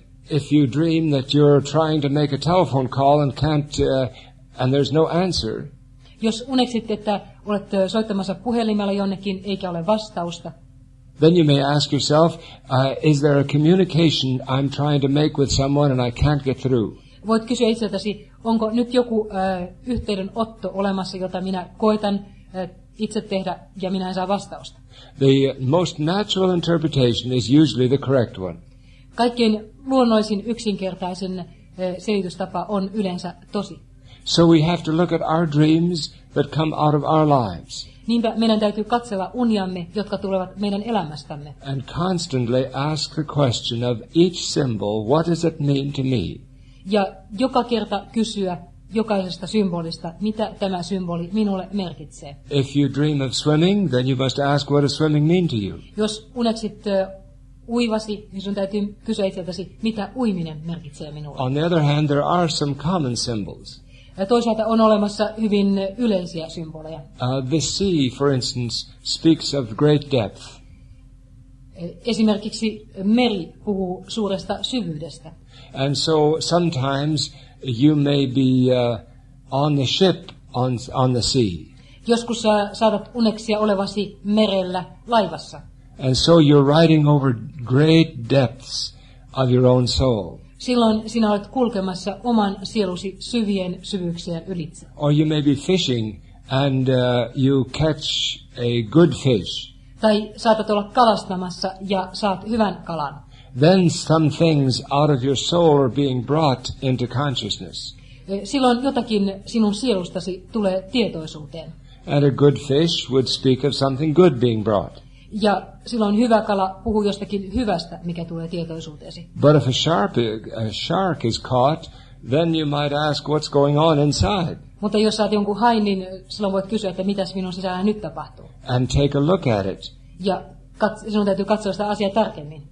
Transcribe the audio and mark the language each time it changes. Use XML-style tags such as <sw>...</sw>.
<en>If you dream that you're trying to make a telephone call and can't, and there's no answer.</en> <fi>Jos uneksit, että olet soittamassa puhelimella jonnekin, eikä ole vastausta.</fi> <en>Then you may ask yourself, is there a communication I'm trying to make with someone and I can't get through?</en> <fi>Voit kysyä itseltäsi, onko nyt joku yhteydenotto olemassa, jota minä koetan itse tehdä ja minä en saa vastausta.</fi> <en>The most natural interpretation is usually the correct one.</en> <fi>Kaikkein luonnollisin yksinkertaisin selitystapa on yleensä tosi.</fi> <en>So we have to look at our dreams that come out of our lives.</en> <fi>Niinpä meidän täytyy katsella uniamme, jotka tulevat meidän elämästämme.</fi> <en>And constantly ask the question of each symbol, what does it mean to me?</en> <fi>Ja joka kerta kysyä jokaisesta symbolista, mitä tämä symboli minulle merkitsee.</fi> <en>If you dream of swimming, then you must ask, what does swimming mean to you?</en> <fi>Jos uneksit uivasi, niin sun täytyy kysyä itseltäsi, mitä uiminen merkitsee minulle.</fi> <en>On the other hand, there are some common symbols.</en> <fi>Ja toisaalta on olemassa hyvin yleisiä symboleja.</fi> <en>The sea, for instance, speaks of great depth.</en> <fi>Esimerkiksi meri puhuu suuresta syvyydestä.</fi> <en>And so sometimes you may be on the ship on the sea.</en> <fi>Joskus sä saatat uneksia olevasi merellä laivassa.</fi> <en>And so you're riding over great depths of your own soul.</en> <fi>Silloin sinä olet kulkemassa oman sielusi syvien syvyyksien ylitse.</fi> <en>Or you may be fishing and you catch a good fish.</en> <fi>Tai saatat olla kalastamassa ja saat hyvän kalan.</fi> <en>Then some things out of your soul are being brought into consciousness.</en> <fi>Silloin jotakin sinun sielustasi tulee tietoisuuteen.</fi> <en>And a good fish would speak of something good being brought.</en> <fi>Ja silloin hyvä kala puhuu jostakin hyvästä, mikä tulee tietoisuuteesi.</fi> <en>But if a shark is caught, then you might ask, what's going on inside?</en> <fi>Mutta jos saat jonkun hain, niin silloin voit kysyä, että mitäs minun sisällä nyt tapahtuu.</fi> <en>And take a look at it.</en> <fi>Ja sinun täytyy katsoa sitä asiaa tarkemmin.</fi>